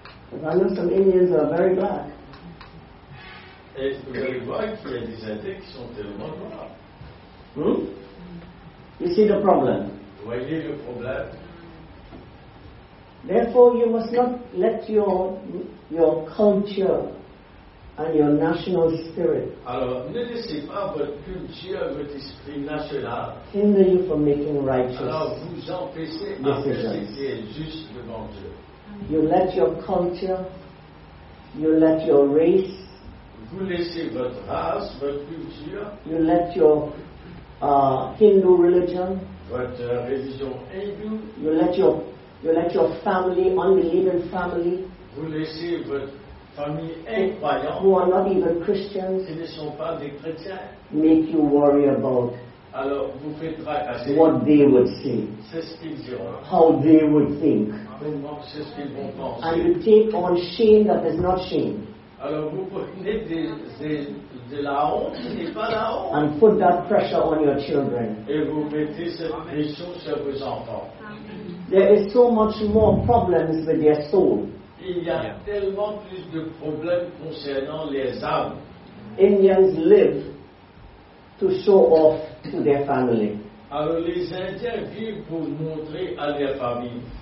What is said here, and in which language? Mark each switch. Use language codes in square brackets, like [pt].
[en] Because I know some Indians are very black. [fr] Et vous allez voir qu'il y a des Indiens qui sont tellement noirs. [en] You see the problem? [fr] Voyez le problème. [en] Therefore, you must not let your culture and your national spirit. [fr] Alors, ne laissez pas votre culture, votre esprit national. [en] Hinder you from making righteous. [fr] Alors, vous empêchez à faire juste devant Dieu. [en] You let your culture, you let your race. [fr] Vous laissez votre race, votre culture. [en] You let your Hindu religion. [fr] Votre religion hindoue. [en] You let your family, unbelieving family. [fr] Vous laissez votre famille incroyante. [en] Who are not even Christians. [fr] Qui ne sont pas des chrétiens. [en] Make you worry about. [fr] Alors vous faites tracasser. [en] What they would say. [fr] C'est ce qu'ils diront. [en] How they would think. [fr] Comment c'est ce qu'ils vont penser. [en] And you take on shame that is not shame. [fr] Alors vous prenez de la honte qui n'est pas la honte. [en] And put that pressure on your children. [fr] Et vous mettez cette pression sur vos enfants. [en] There is so much more problems with their soul. [fr] Il y a tellement plus de problèmes concernant les âmes. [en] Indians live to show off to their family. [fr] Alors les Indiens vivent pour montrer à leur famille.